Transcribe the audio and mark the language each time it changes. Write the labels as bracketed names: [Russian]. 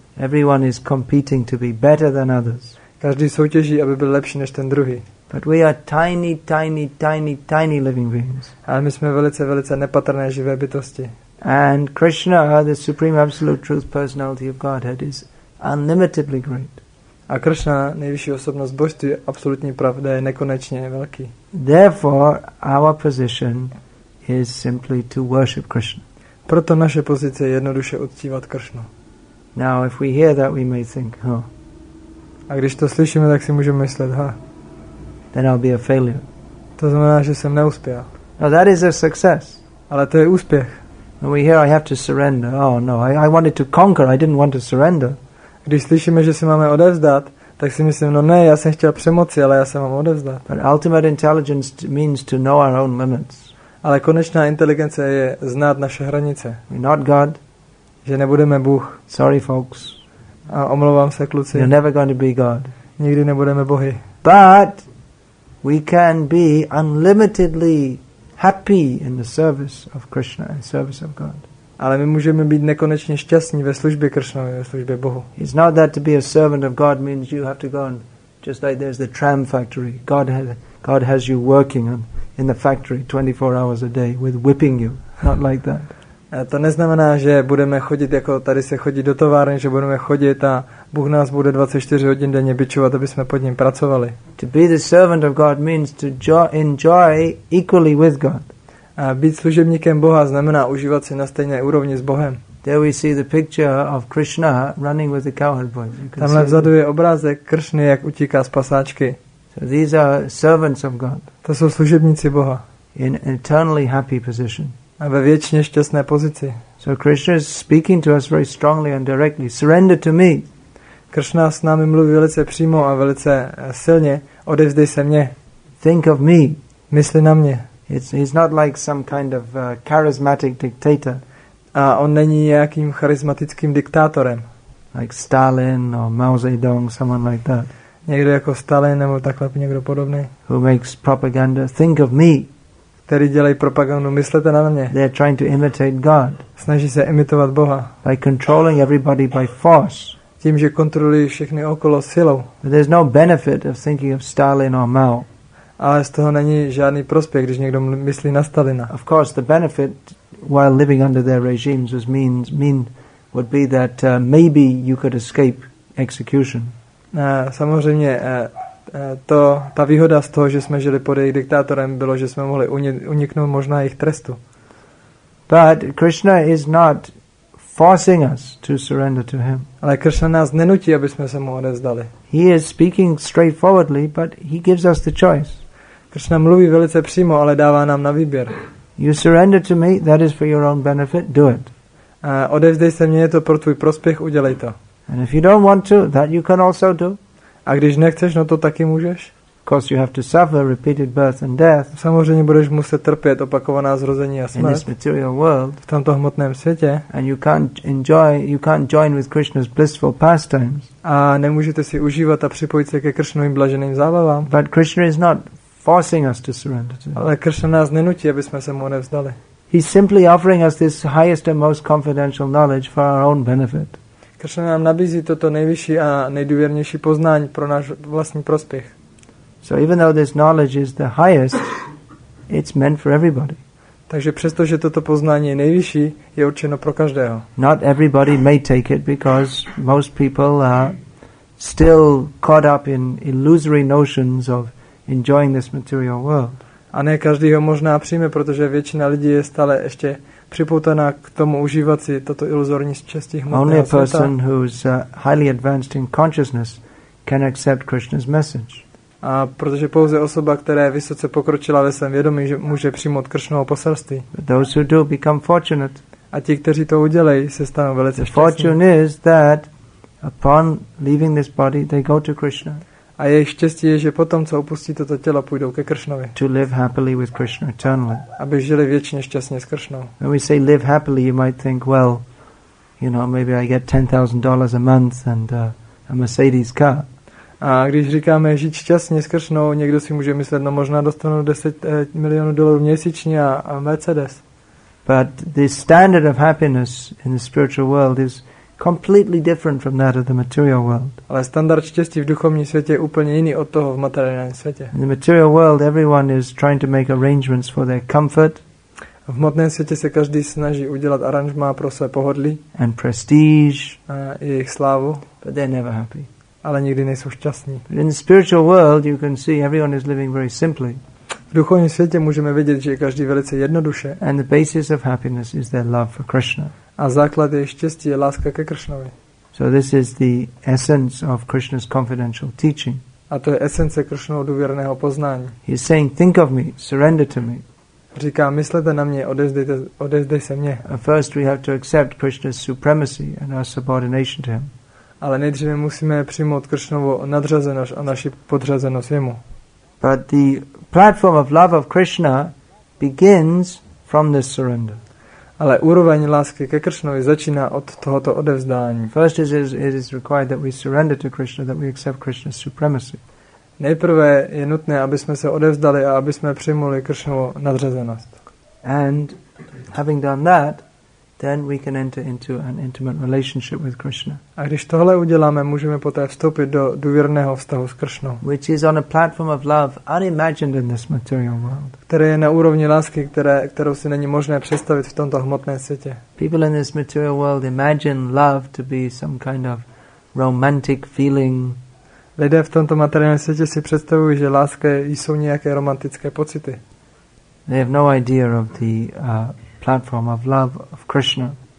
[English] Everyone is competing to be better than others. [Czech] Každý soutěží, aby byl lepší než ten druhý. [English] But we are tiny, tiny, tiny, tiny living beings. [Czech] Ale my jsme velice, velice nepatrné živé bytosti. [English] And Krishna, the supreme absolute truth personality of Godhead, is unlimitedly great. [Czech] A Krishna, nejvyšší osobnost božství, absolutní pravda, je nekonečně velký. [English] Therefore, our position is simply to worship Krishna. [Czech] Proto naše pozice je jednoduše uctívat Krishnu. [English] Now, if we hear that, we may think, huh. [Czech] A když to slyšíme, tak si můžeme myslet, ha. [English] Then I'll be a failure. [Czech] To znamená, že jsem neuspěl. [English] No, that is a success. [Czech] Ale to je úspěch. [English] When we hear, I have to surrender. Oh no, I wanted to conquer. I didn't want to surrender. [Czech] Když slyšíme, že si máme odevzdat, tak si myslím, no ne, já jsem chtěl přemoci, ale já se mám odevzdat. [English] But ultimate intelligence means to know our own limits. [Czech] Ale konečná inteligence je znát naše hranice. [English] We're not God. [Czech] Že nebudeme Bůh. [English] Sorry, folks. [Czech] A omlouvám se, kluci. [English] You're never going to be God. [Czech] Nikdy nebudeme Bohy. [English] But we can be unlimitedly happy in the service of Krishna and service of God. [Czech] Ale my můžeme být nekonečně šťastní ve službě Krishnovi, ve službě Bohu. [English] It's not that to be a servant of God means you have to go and just like there's the tram factory. God has you working in the factory 24 hours a day with whipping you. Not like that. [Czech] A to neznamená, že budeme chodit jako tady se chodí do továrny, že budeme chodit a Bůh nás bude 24 hodin denně bičovat, aby jsme pod ním pracovali. [English] To be the servant of God means to enjoy equally with God. [Czech] A být služebníkem Boha znamená užívat si na stejné úrovni s Bohem. [English] There we see the picture of Krishna running with the cowherd boys. [Czech] Tamhle vzadu je obrázek Krishny, jak utíká z pasáčky. [English] So these are servants of God. [Czech] To jsou služebníci Boha. [English] In an eternally happy position. [Czech] A ve věčně šťastné pozici. [English] So Krishna is speaking to us very strongly and directly. Surrender to me. [Czech] Krishna s námi mluví velice přímo a velice silně. Odevzdej se mně. [English] Think of me. [Czech] Mysli na mě. [English] He's not like some kind of charismatic dictator. [Czech] A on není nějakým charismatickým diktátorem. [English] Like Stalin or Mao Zedong, someone like that. [Czech] Někdo jako Stalin nebo takhle někdo podobný. [English] Who makes propaganda. Think of me. [Czech] Který dělají propagandu, myslete na mě. [English] They're trying to imitate God. [Czech] Snaží se imitovat Boha. [English] By controlling everybody by force. [Czech] Tím, že kontrolují všechny okolo silou. [English] But there's no benefit of thinking of Stalin or Mao. [Czech] Ale z toho není žádný prospěch, když někdo myslí na Stalina. [English] Of course, the benefit while living under their regimes was mean would be that maybe you could escape execution. [Czech] Samozřejmě to ta výhoda z toho, že jsme žili pod jejich diktátorem, bylo, že jsme mohli uniknout možná jejich trestu. [English] But Krishna is not forcing us to surrender to him. [Czech] Ale Krishna nás nenutí, aby jsme se mu odevzdali. [English] He is speaking straightforwardly, but he gives us the choice. [Czech] Krishna mluví velice přímo, ale dává nám na výběr. [English] You surrender to me, that is for your own benefit, do it. [Czech] Odevzdej se mně, je to pro tvůj prospěch, udělej to. [English] And if you don't want to, that you can also do. [Czech] A když nechceš, no to taky můžeš. [English] course, you have to suffer repeated birth and death. [Czech] Samozřejmě budeš muset trpět opakovaná zrození a smrt. [English] In this material world, [Czech] v tomto hmotném světě. [English] And you can't join with Krishna's blissful pastimes. [Czech] A nemůžete si užívat a připojit se ke Krishnovým blaženým zábavám. [English] But Krishna is not forcing us to surrender. [Czech] Ale Krishna nás nenutí, aby jsme se mu nevzdali. [English] He's simply offering us this highest and most confidential knowledge for our own benefit. [Czech] Krishna nám nabízí toto nejvyšší a nejdůvěrnější poznání pro náš vlastní prospěch. [English] So even though this knowledge is the highest, it's meant for everybody. [Czech] Takže přesto, že toto poznání je nejvyšší, je určeno pro každého. [English] Not everybody may take it because most people are still caught up in illusory notions of enjoying this material world. [Czech] A ne každý ho možná přijme, protože většina lidí je stále ještě připoutaná k tomu užívat si toto iluzorní štěstí hmotného světa. [English] Only a person who's highly advanced in consciousness can accept Krishna's message. [Czech] A protože pouze osoba, která je vysoce pokročila ve svém vědomí, že může přijmout Krishnovo poselství. [English] Those who do become fortunate. [Czech] A ti, kteří to udělají, se stanou velice šťastní. [English] The fortune is that upon leaving this body, they go to Krishna. [Czech] A je štěstí je, že potom, co opustí toto tělo, půjdou ke Krishnovi. [English] To live happily with Krishna eternally. [Czech] Aby žili věčně šťastně s Krishnou. [English] When we say live happily, you might think, well, you know, maybe I get $10,000 a month and a Mercedes car. [Czech] A když říkáme žít šťastně s Krishnou, někdo si může myslet, no možná dostanu 10 milionů dolarů měsíčně a Mercedes. [English] But the standard of happiness in the spiritual world is completely different from that of the material world. [Czech] Ale standard štěstí v duchovním světě je úplně jiný od toho v materiálním světě. [English] In the material world, everyone is trying to make arrangements for their comfort. [Czech] V hmotném světě se každý snaží udělat aranžma pro své pohodlí. [English] And prestige. [Czech] A jejich slávu. [English] But they're never happy. [Czech] Ale nikdy nejsou šťastní. [English] But in the spiritual world, you can see everyone is living very simply. [Czech] V duchovním světě můžeme vidět, že je každý velice jednoduše. [English] And the basis of happiness is their love for Krishna. [Czech] A základ je štěstí je láska ke Krishnovi. [English] So this is the essence of Krishna's confidential teaching. [Czech] A to je esence Krishnovo důvěrného poznání. [English] He is saying, think of me, surrender to me. [Czech] Říká, myslete na mě, odevzdej se mně. [English] And first we have to accept Krishna's supremacy and our subordination to him. [Czech] Ale nejdříve musíme přijmout Krishnovu nadřazenost a naši podřazenost jemu. [English] But the platform of love of Krishna begins from this surrender. [Czech] Ale úroveň lásky ke Krishnovi začíná od tohoto odevzdání. [English] First it is required that we surrender to Krishna, that we accept Krishna's supremacy. [Czech] Nejprve je nutné, aby jsme se odevzdali a aby jsme přijmuli Krishnovu nadřazenost. [English] And having done that, then we can enter into an intimate relationship with Krishna. [Czech] A když tohle uděláme, můžeme poté vstoupit do důvěrného vztahu s Krishnou. [English] Which is on a platform of love unimagined in this material world. [Czech] Které je na úrovni lásky, kterou si není možné představit v tomto hmotném světě. [English] People in this material world imagine love to be some kind of romantic feeling. [Czech] Lidé v tomto materiálním světě si představují, že láska jsou nějaké romantické pocity. [English] They have no idea of the platform of love of Krishna.